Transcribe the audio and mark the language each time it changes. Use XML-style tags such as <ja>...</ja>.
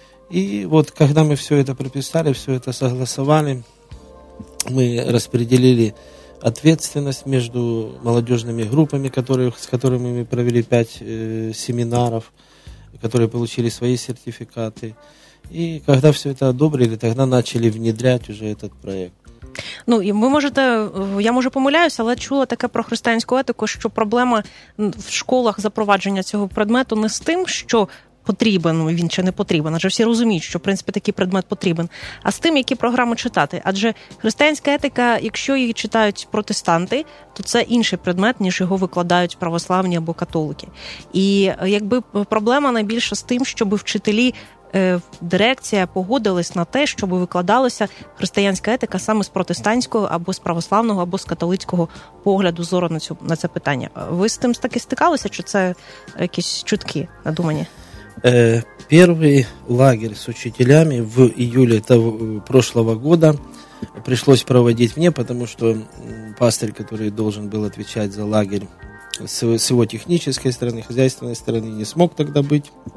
<ru>И вот когда мы все это прописали, все это согласовали, мы распределили ответственность между молодежными группами, с которыми мы провели 5 семинаров, которые получили свои сертификаты. И когда все это одобрили, тогда начали внедрять уже этот проект.</ru> <uk>Ну, і ви можете, я може помиляюся, але чула таке про християнську етику, що проблема в школах запровадження цього предмету не з тим, що потрібен він чи не потрібен, адже всі розуміють, що, в принципі, такий предмет потрібен, а з тим, які програми читати. Адже християнська етика, якщо її читають протестанти, то це інший предмет, ніж його викладають православні або католики. І якби проблема найбільша з тим, щоб вчителі, дирекція погодилась на те, щоб викладалася християнська етика саме з протестантського або з православного, або з католицького погляду зору на це питання. Ви з тим таки стикалися, чи це якісь чутки надумані?</uk> <ru>Первый лагерь с учителями в июле того, прошлого года пришлось проводить мне, потому что пастырь, который должен был отвечать за лагерь с его технической стороны, хозяйственной стороны, не смог тогда быть.</ru>